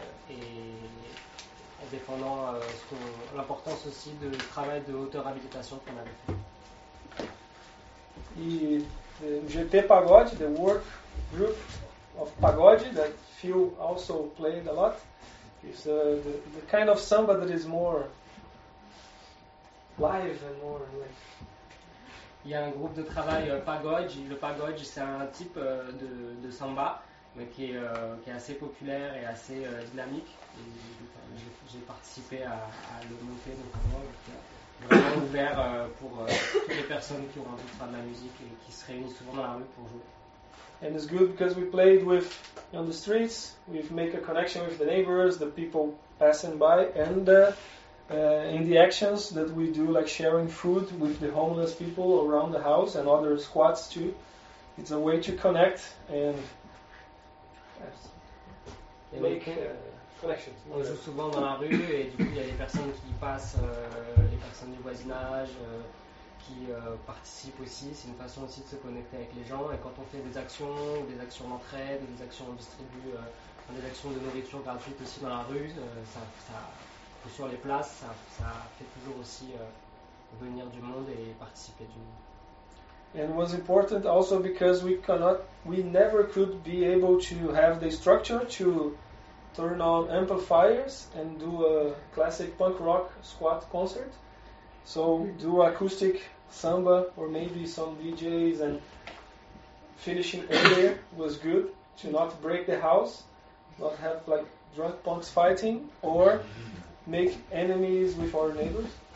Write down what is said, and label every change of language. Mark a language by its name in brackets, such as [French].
[French] Et en défendant l'importance aussi du travail de hauteur habilitation qu'on avait fait. [English] GT Pagode, the work group of Pagode, that Phil also played a lot, is the kind of samba that is more live and more like. [French] Il y a un groupe de travail Pagode. Le Pagode, c'est un type de samba. Mais qui est assez populaire et assez dynamique. Et, j'ai participé à le monter notamment. Vraiment ouvert pour toutes les personnes qui ont envie de faire de la musique et qui se réunissent souvent dans la rue pour jouer. [English] And it's good because we played with on the streets. We've make a connection with the neighbors, the people passing by, and in the actions that we do, like sharing food with the homeless people around the house and other squats too. It's a way to connect and [French] on joue souvent dans la rue et du coup il y a des personnes qui passent, les personnes du voisinage qui participent aussi. C'est une façon aussi de se connecter avec les gens. Et quand on fait des actions, ou des actions d'entraide, des actions on distribue, des actions de nourriture gratuite aussi dans la rue, ça sur les places, ça fait toujours aussi venir du monde et participer du monde. [English] And it was important also because we never could be able to have the structure to turn on amplifiers and do a classic punk rock squat concert. So do acoustic samba or maybe some DJs and finishing earlier was good to not break the house, not have like drunk punks fighting or make enemies with our neighbors.